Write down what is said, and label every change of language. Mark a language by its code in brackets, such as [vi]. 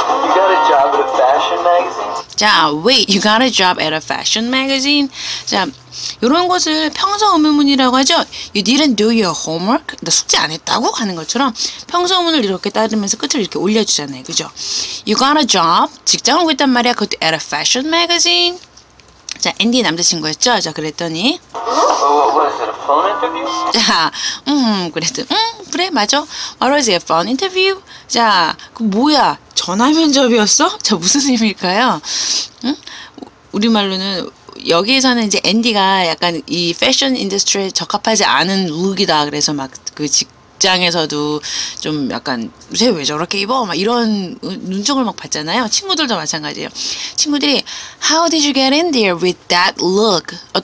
[en] Wait, you got a job at a fashion magazine? [ko] 자, 이런 것을 평소 의문문이라고 하죠. [en] You didn't do your homework? [ko] 나 숙제 안 했다고 하는 것처럼 평소 의문을 이렇게 따르면서 끝을 이렇게 올려주잖아요. 그죠? [en] You got a job? [ko] 직장을 하고 있단 말이야. 그것도 [en] at a fashion magazine? [ko] 자, 앤디 남자친구였죠? 자, 그랬더니 [en] What is it, a phone interview? [ko] 자, 그랬더니 그래, 맞아. [en] What was it, a phone interview? [ko] 자, 그 뭐야? 전화 면접이었어? 자, 무슨 의미일까요? 응? 우리말로는 여기에서는 이제 앤디가 약간 이 패션 인더스트리에 적합하지 않은 룩이다. 그래서 막 그 직장에서도 좀 약간 쟤 왜 저렇게 입어? 막 이런 눈총을 막 받잖아요. 친구들도 마찬가지예요. 친구들이 [en] How did you get in there with that look?